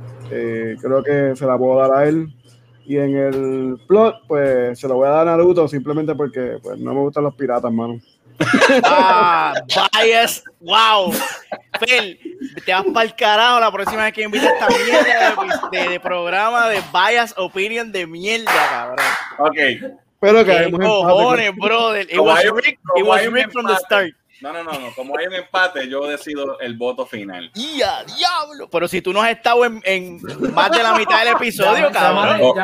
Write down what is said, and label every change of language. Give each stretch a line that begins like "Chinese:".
Spanish: Creo que se la puedo dar a él. Y en el plot, pues, se lo voy a dar a Naruto simplemente porque pues, no me gustan los piratas, mano. Ah, bias, wow, Fel, te vas para el carajo la próxima vez que invites esta mierda de programa de
English: bias opinion
Spanish: de mierda, cabrón. Ok, pero que hay cojones, brother.
English: It was rigged from the start.
Spanish: No, como hay un empate, yo decido el voto final. ¡Ya, diablo! Pero si tú no has estado en más de la mitad del episodio, cabrón,